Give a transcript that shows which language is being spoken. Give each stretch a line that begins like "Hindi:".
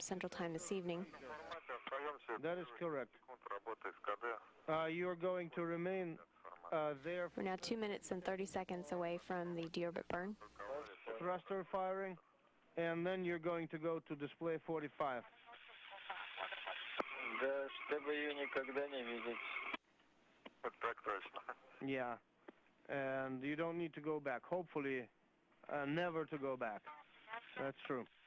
English: Central Time this evening. That is correct. You're going to remain there. We're now 2 minutes and 30 seconds away from the deorbit burn. Thruster firing, and then you're going to go to display 45.
Russian: Да, чтобы ее никогда не видеть. Так точно.
English: Yeah, and you don't need to go back. Hopefully, never to go back. That's true.